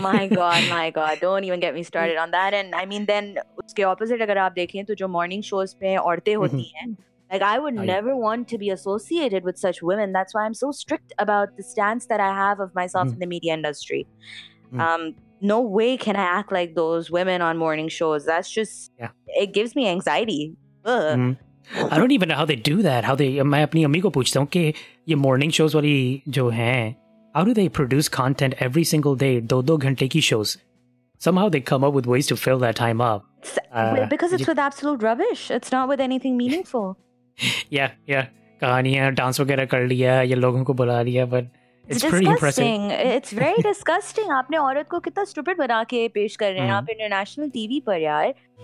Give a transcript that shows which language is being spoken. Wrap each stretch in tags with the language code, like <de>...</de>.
<en>My God, don't even get me started on that. And I mean, then</en> <hi>उसके opposite अगर आप देखें तो जो morning shows पे औरतें होती हैं,</hi> <en>like I would never want to be associated with such women. That's why I'm so strict about the stance that I have of myself in the media industry. No way can I act like those women on morning shows. That's just, it gives me anxiety. Ugh. I don't even know how they do that. How they,</en> <hi>मैं अपनी अम्मी को पूछता हूँ कि ये morning shows वाली जो हैं,</hi> <en>how do they produce content every single day,</en> <hi>दो दो घंटे की shows?</hi> <en>Somehow they come up with ways to fill that time up. Because it's with absolute rubbish. It's not with anything meaningful.</en> <hi>कहानियां dance वगैरह कर लिया, ये लोगों को बुला लिया,</hi> <en>But It's it's pretty impressive. disgusting. It's very disgusting.</en> <hi>आपने औरत को कितना स्टूपिड बना के पेश कर रहे हैं आप इंटरनेशनल टीवी पर यार.</hi>